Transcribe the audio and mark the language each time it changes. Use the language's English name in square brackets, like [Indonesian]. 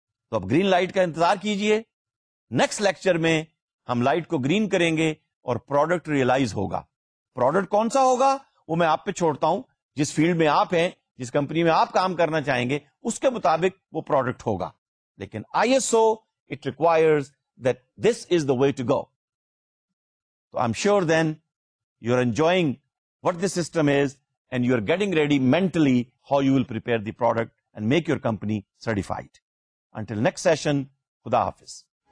[Urdu] تو اب green light کا انتظار کیجئے. نیکسٹ لیکچر میں ہم لائٹ کو گرین کریں گے اور پروڈکٹ ریئلائز ہوگا. پروڈکٹ کون سا ہوگا وہ میں آپ پہ چھوڑتا ہوں. جس فیلڈ میں آپ ہیں, جس کمپنی میں آپ کام کرنا چاہیں گے, اس کے مطابق وہ پروڈکٹ ہوگا. لیکن [English] ISO it requires that this is the way to go. I'm sure then you're enjoying what the system is and you're getting ready mentally how you will prepare the product and make your company certified. Until next session, [Urdu] Khuda Hafiz.